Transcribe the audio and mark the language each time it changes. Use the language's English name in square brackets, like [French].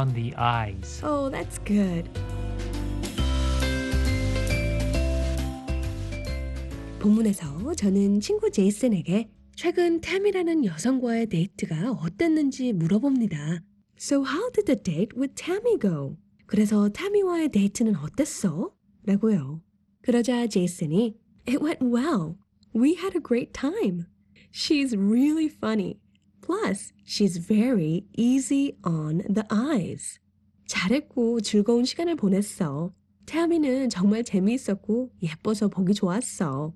[English] What does it mean to be easy on the eyes? Well, let's find out, but first we will listen to today's conversation. Listen carefully. So how did the date with Tammy go? It went well. We had a great time. She's really funny, plus she's very easy on the eyes. Oh, that's good. [Korean] 본문에서 저는 친구 제이슨에게 최근 태미라는 여성과의 데이트가 어땠는지 물어봅니다. [English] So how did the date with Tammy go? [Korean] 그래서 태미와의 데이트는 어땠어? 라고요. 그러자 제이슨이 [English] It went well. We had a great time. She's really funny. Plus, she's very easy on the eyes. [Korean] 잘했고 즐거운 시간을 보냈어. 태미는 정말 재미있었고 예뻐서 보기 좋았어.